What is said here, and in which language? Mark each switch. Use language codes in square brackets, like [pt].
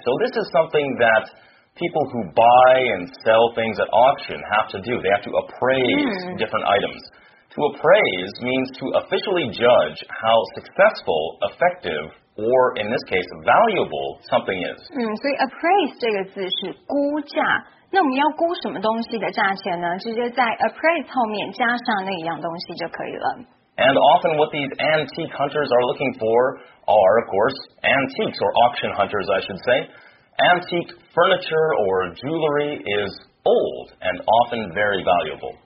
[en] So this is something that people who buy and sell things at auction have to do. They have to appraise different items. To appraise means to officially judge how successful, effective,or in this case, valuable something is. [zh] 所以 appraise 这个字是估价。那我们要估什么东西的价钱呢？直接在 appraise 后面加上那一样东西就可以了。 [en] And often what these antique hunters are looking for are, of course, antiques, or auction hunters, I should say. Antique furniture or jewelry is old and often very valuable.